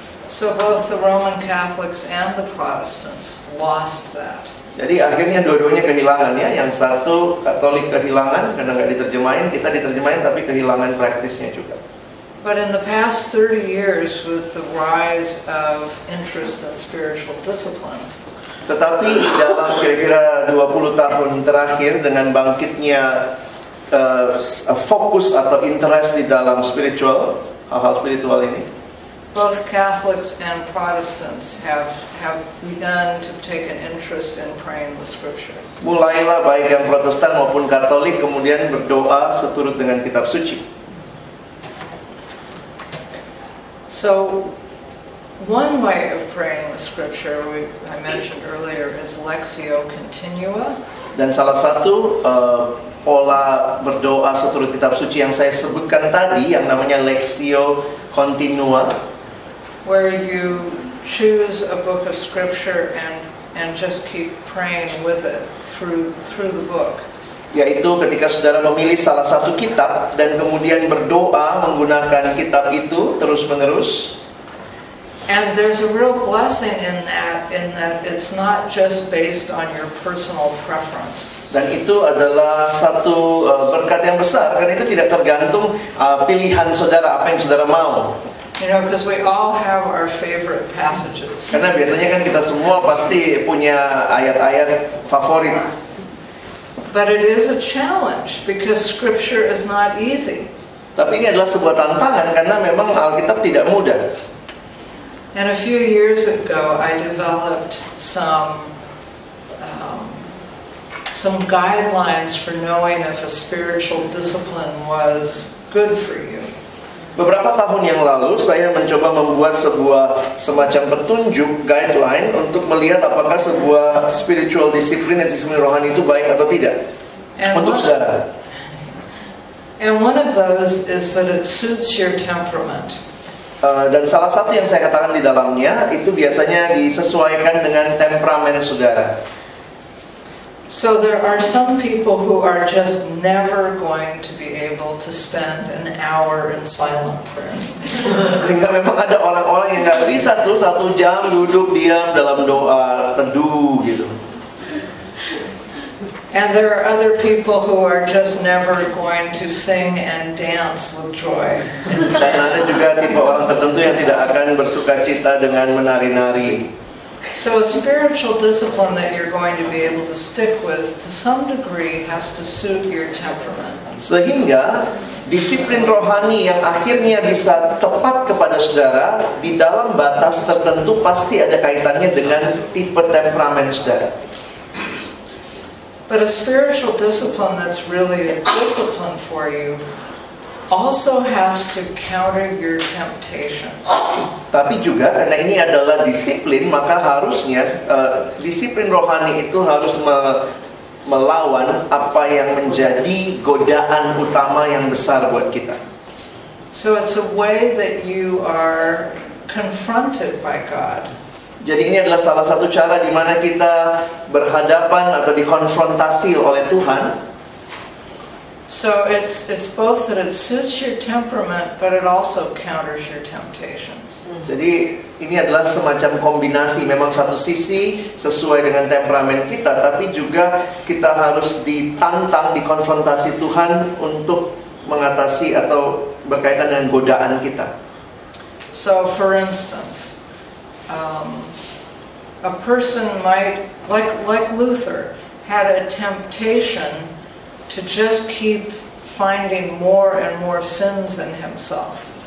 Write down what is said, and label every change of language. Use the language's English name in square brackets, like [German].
[English] So both the Roman Catholics and the Protestants lost that. [Indonesian] Jadi akhirnya dua-duanya kehilangan ya, yang satu Katolik kehilangan karena enggak diterjemahin, kita diterjemahin tapi kehilangan praktisnya juga. [English] But in the past 30 years with the rise of interest in spiritual disciplines. [Indonesian] Tetapi dalam kira-kira 20 tahun terakhir dengan bangkitnya fokus atau interest di dalam spiritual, hal-hal spiritual ini? [English] Both Catholics and Protestants have begun to take an interest in praying with Scripture. [Indonesian] Mulailah baik yang Protestan maupun Katolik kemudian berdoa seturut dengan Kitab Suci. [English] So, one way of praying with Scripture I mentioned earlier is Lectio Continua. [Indonesian] Dan salah satu pola berdoa seturut Kitab Suci yang saya sebutkan tadi yang namanya Lectio Continua. [English] Where you choose a book of scripture and just keep praying with it through the book. [Indonesian] Yaitu ketika saudara memilih salah satu kitab dan kemudian berdoa menggunakan kitab itu terus menerus. [English] And there's a real blessing in that it's not just based on your personal preference. [Indonesian] Dan itu adalah satu berkat yang besar karena itu tidak tergantung pilihan saudara apa yang saudara mau. [English] You know, because we all have our favorite passages. [Indonesian] Karena biasanya kan kita semua pasti punya ayat-ayat favorit. [English] But it is a challenge because Scripture is not easy. [Indonesian] Tapi ini adalah sebuah tantangan karena memang Alkitab tidak mudah. [English] And a few years ago, I developed some guidelines for knowing if a spiritual discipline was good for you. [Indonesian] Beberapa tahun yang lalu saya mencoba membuat sebuah semacam petunjuk guideline untuk melihat apakah sebuah spiritual discipline atau disiplin rohani itu baik atau tidak untuk saudara. [English] And one of those is that it suits your temperament. [Indonesian] Dan salah satu yang saya katakan di dalamnya itu biasanya disesuaikan dengan temperamen saudara. [English] So there are some people who are just never going to be able to spend an hour in silent prayer. [Indonesian] Sehingga memang ada orang-orang yang nggak bisa tuh satu jam duduk diam dalam doa teduh gitu. [English] And there are other people who are just never going to sing and dance with joy. [Indonesian] Dan ada juga tipe orang tertentu yang tidak akan bersuka cita dengan menari-nari. [English] So a spiritual discipline that you're going to be able to stick with to some degree has to suit your temperament. [Indonesian] Sehingga disiplin rohani yang akhirnya bisa tepat kepada saudara di dalam batas tertentu pasti ada kaitannya dengan tipe temperamen saudara. [English] But a spiritual discipline that's really a discipline for you also has to counter your temptations. [Indonesian] Tapi juga karena ini adalah disiplin, maka harusnya disiplin rohani itu harus melawan apa yang menjadi godaan utama yang besar buat kita. [English] So it's a way that you are confronted by God. [Indonesian] Jadi ini adalah salah satu cara di mana kita berhadapan atau dikonfrontasi oleh Tuhan. [English] So it's both that it suits your temperament, but it also counters your temptations. [Indonesian] Jadi ini adalah semacam kombinasi. Memang satu sisi sesuai dengan temperamen kita, tapi juga kita harus ditantang, dikonfrontasi Tuhan untuk mengatasi atau berkaitan dengan godaan kita. [English] So for instance, a person might like Luther had a temptation to just keep finding more and more sins in himself.